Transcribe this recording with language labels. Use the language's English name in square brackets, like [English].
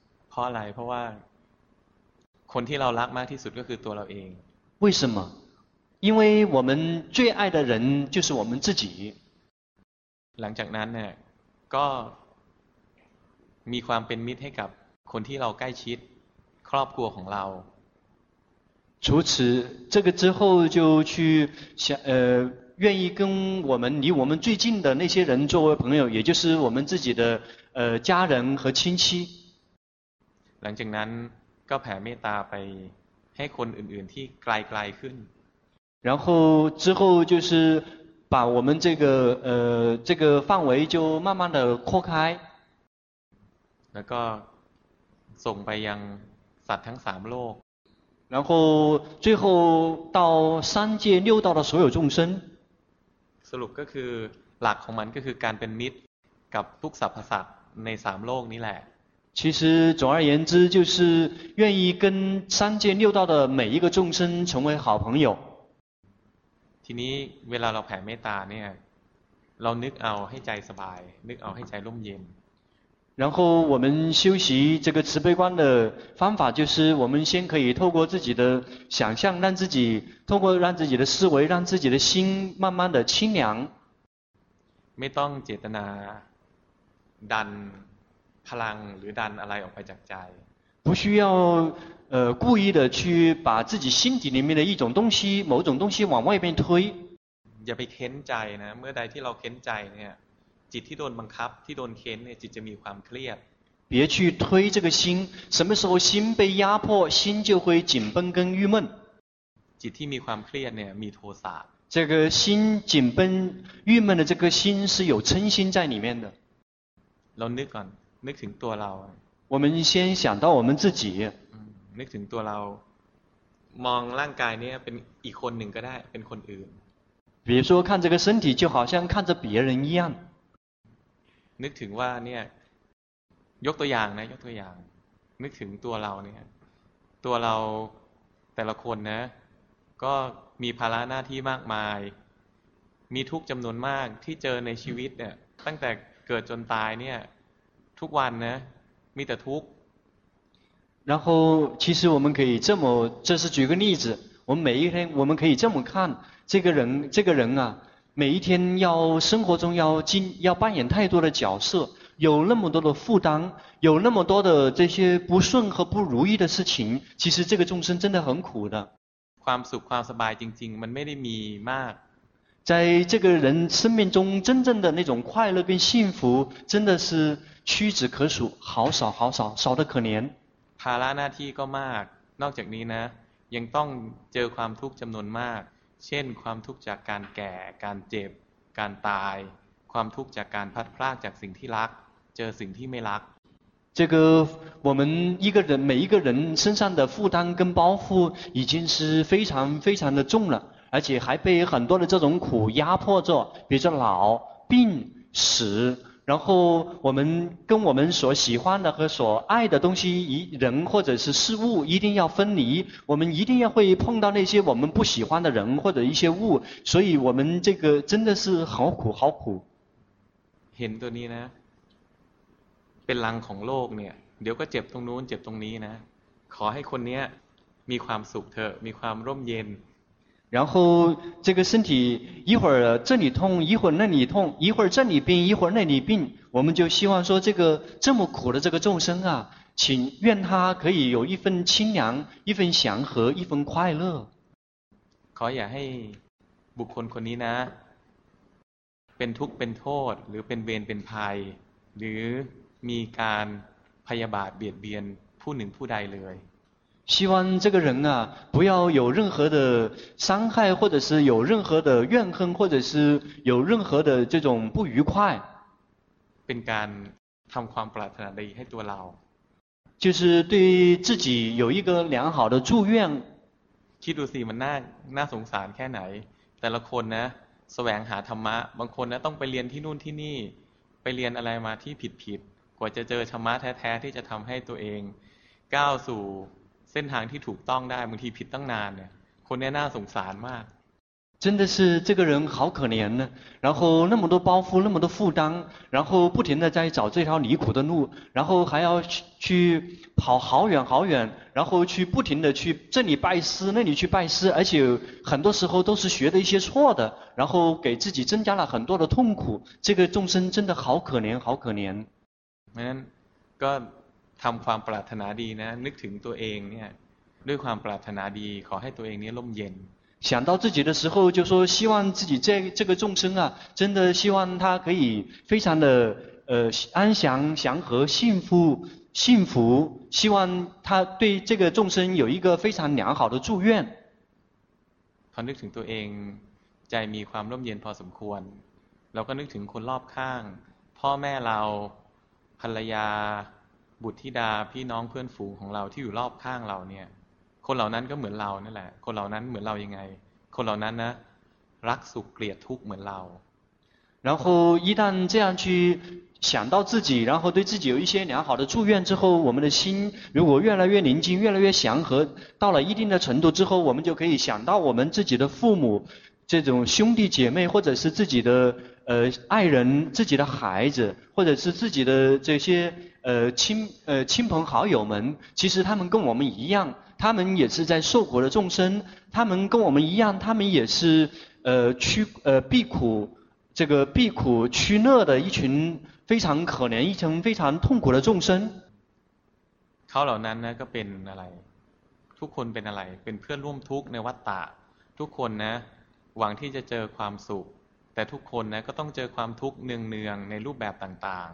[Thai] เพราะอะไรเพราะว่าคนที่เรารักมากที่สุดก็คือตัวเราเอง [Chinese] 为什么因为我们最爱的人就是我们自己 [Thai] หลังจากนั้นเนี่ยก็มีความเป็นมิตรให้กับคนที่เราใกล้ชิดครอบครัวของเรา [Chinese] 除此这个之后就去想愿意跟我们离我们最近的那些人作为朋友也就是我们自己的家人和亲戚 [Thai] หลังจากนั้นก็แผ่เมตตาไปให้คนอื่นๆที่ไกลๆขึ้น [Chinese] 然后之后就是把我们这个范围就慢慢的扩开 [Thai] แล้วก็ส่งไปยัง สัตว์ทั้งสามโลก [Chinese] 然后最后到三界六道的所有众生 [Thai] สรุปก็คือหลักของมันก็คือการเป็นมิตรกับทุกสรรพสัตว์ในสามโลกนี้แหละ [Chinese] 其实总而言之就是愿意跟三界六道的每一个众生成为好朋友 [Thai] ทีนี้เวลาเราแผ่เมตตาเนี่ยเรานึกเอาให้ใจสบายนึกเอาให้ใจร่มเย็น [Chinese] 然后我们修习这个慈悲观的方法就是我们先可以透过自己的想象让自己透过让自己的思维让自己的心慢慢的清凉 [Thai] ไม่ต้องเจตนาดันพลังหรือดันอะไรออกไปจากใจ [Chinese] 不需要故意的去把自己心底里面的一种东西某种东西往外面推 [Thai] อย่าไปเค้นใจนะเมื่อใดที่เราเค้นใจเนี่ยจิตที่โดนบังคับที่โดนเค้นเนี่ยจิตจะมีความเครียด [Chinese] 别去推这个心什么时候心被压迫心就会紧绷跟郁闷 [Thai] จิตที่มีความเครียดเนี่ยมีโทสะ [Chinese] 这个心紧绷郁闷的这个心是有嗔心在里面的 [Thai] เรานึกก่อนนึกถึงตัวเรา [Chinese] 我们先想到我们自己 [Thai] นึกถึงตัวเรามองร่างกายเนี่ยเป็นอีกคนหนึ่งก็ได้เป็นคนอื่น [Chinese] 比如说看这个身体就好像看着别人一样 [Thai] นึกถึงว่าเนี่ยยกตัวอย่างนะยกตัวอย่างนึกถึงตัวเราเนี่ยตัวเราแต่ละคนนะก็มีภาระหน้าที่มากมายมีทุกจำนวนมากที่เจอในชีวิตเนี่ยตั้งแต่เกิดจนตายเนี่ยทุกวันนะมีแต่ทุกข์ [Chinese] 然后其实我们可以这么这是举个例子我们每一天我们可以这么看这个人啊每一天要生活中要扮演太多的角色有那么多的负担有那么多的这些不顺和不如意的事情其实这个众生真的很苦的 [Thai] ความสุขความสบายจริงๆมันไม่ได้มีมาก [Chinese] 在这个人生命中真正的那种快乐并幸福真的是屈指可数好少好少少得可怜 [Thai] ภาระหน้าที่ก็มากนอกจากนี้นะยังต้องเจอความทุกข์จำนวนมากเช่นความทุกข์จากการแก่การเจ็บการตายความทุกข์จากการพัดพรากจากสิ่งที่รักเจอสิ่งที่ไม่รัก [Chinese] 这个我们一个人每一个人身上的负担跟包袱已经是非常非常的重了而且还被很多的这种苦压迫着比如说老病死然后我们跟我们所喜欢的和所爱的东西人或者是事物一定要分离我们一定要会碰到那些我们不喜欢的人或者一些物所以我们这个真的是好苦好苦 [Thai] เห็นตัวนี้นะเป็นรังของโลกเนี่ยเดี๋ยวก็เจ็บตรงนู้นเจ็บตรงนี้นะขอให้คนนี้มีความสุขเถอะมีความร่มเย็น [Chinese] 然后这个身体一会儿这里痛一会儿那里痛一会儿这里病一会儿那里病我们就希望说这个这么苦的这个众生啊请愿他可以有一份清凉一份祥和一份快乐 [Thai] ขออย่าให้บุคคลคนนี้นะเป็นทุกข์เป็นโทษหรือเป็นเวรเป็นภัยหรือมีการพยาบาทเบียดเบียนผู้หนึ่งผู้ใดเลย [Chinese] 希望这个人啊不要有任何的伤害或者是有任何的怨恨或者是有任何的这种不愉快 [Thai] เป็นการทำความปรารถนาดีให้ตัวเรา [Chinese] 就是对自己有一个良好的祝愿 [Thai] คิดดูสิมันน่าสงสารแค่ไหนแต่ละคนนะแสวงหาธรรมะบางคนนะต้องไปเรียนที่นู่นที่นี่ไปเรียนอะไรมาที่ผิดกว่าจะเจอธรรมะแท้ๆที่จะทำให้ตัวเองก้าวสู่เส้นทางที่ถูกต้องได้บางทีผิดตั้งนานเนี่ยคนนี้น่าสงสารมาก [Chinese] 真的是这个人好可怜呢然后那么多包袱那么多负担然后不停的在找这条离苦的路然后还要 去跑好远好远然后去不停的去这里拜师那里去拜师而且很多时候都是学的一些错的然后给自己增加了很多的痛苦这个众生真的好可怜好可怜 [Thai] 嗯哥ทำความปรารถนาดีนะนึกถึงตัวเองเนี่ยด้วยความปรารถนาดีขอให้ตัวเองเนี่ยร่มเย็น [Chinese] 想到自己的时候就说希望自己这个众生啊真的希望他可以非常的安详祥和幸福希望他对这个众生有一个非常良好的祝愿 [Thai] พอนึกถึงตัวเองใจมีความร่มเย็นพอสมควรเราก็นึกถึงคนรอบข้างพ่อแม่เราภรรยา บุตรธิดาพี่น้องเพื่อนฝูงของเราที่อยู่รอบข้างเราเนี่ยคนเหล่านั้นก็เหมือนเรานั่นแหละคนเหล่านั้นเหมือนเรายังไงคนเหล่านั้นนะรักสุขเกลียดทุกข์เหมือนเรา [Chinese] 然后一旦这样去想到自己然后对自己有一些良好的祝愿之后我们的心如果越来越宁静越来越祥和到了一定的程度之后我们就可以想到我们自己的父母这种兄弟姐妹或者是自己的爱人自己的孩子或者是自己的这些亲朋好友们其实他们跟我们一样他们也是在受苦的众生他们跟我们一样他们也是避苦这个避苦趋乐的一群非常可怜一群非常痛苦的众生 [Thai] เขาเหล่านั้นนะก็เป็นอะไรทุกคนเป็นอะไรเป็นเพื่อนร่วมทุกข์ในวัฏฏะทุกคนนะหวังที่จะเจอความสุขแต่ทุกคนนะก็ต้องเจอความทุกข์เนืองๆในรูปแบบต่าง